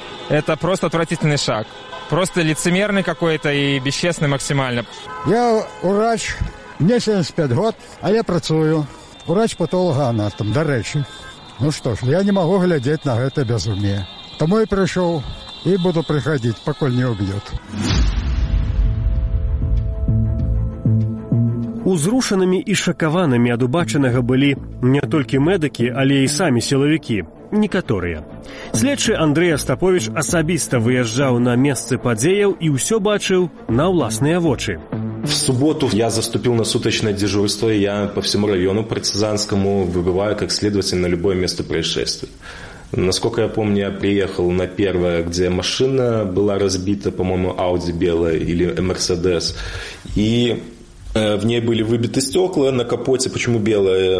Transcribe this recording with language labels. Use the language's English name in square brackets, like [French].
[Russian] Это просто отвратительный шаг. Просто лицемерный какой-то и бесчестный максимально. Я врач, мне 75 год, а я працую. Врач-патологоанатом, до речи. Ну что ж, я не могу глядеть на это безумие. Тому и пришел, и буду приходить, поколь не убьют. [Belarusian] Узрушанымі і шакаванымі ад убачанага былі не толькі медыкі, але і самі сілавікі, некаторыя. Следчы Андрэй Астаповіч асабіста выязджаў на месцы падзеяў і ўсё бачыў на ўласныя вочы. [Russian] В субботу я заступил на суточное дежурство, и я по всему району партизанскому выбываю как следователь на любое место происшествия. Насколько я помню, я приехал на первое, где машина была разбита, по-моему, Audi белая или Mercedes, и в ней были выбиты стекла на капоте. Почему белое?